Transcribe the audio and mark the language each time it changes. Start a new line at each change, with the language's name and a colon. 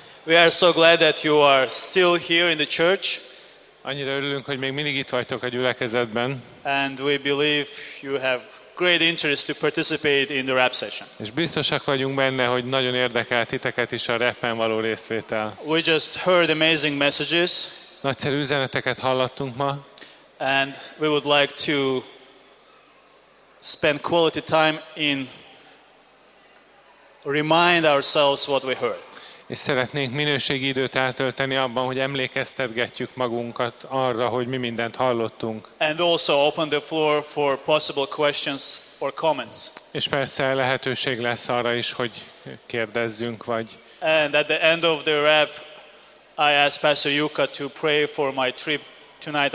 English: We are so glad that you are still here in the church.
Hungarian: Annyira örülünk, hogy még mindig itt vagytok a gyülekezetben.
English: And we believe you have great interest to participate in the rap session.
Hungarian: És biztosak vagyunk benne, hogy nagyon érdekel titeket is a rappen való részvétel.
English: We just heard amazing messages.
Hungarian: Nagyszerű üzeneteket hallottunk ma.
English: And we would like to spend quality time in remind ourselves what we heard.
Hungarian: És szeretnénk minőségi időt eltölteni abban, hogy emlékeztetgetjük magunkat arra, hogy mi mindent hallottunk.
English: And also open the floor for possible questions or comments.
Hungarian: És persze lehetőség lesz arra is, hogy kérdezzünk vagy.
English: And at the end of the rap, I asked Pastor Yuka to pray for my trip tonight.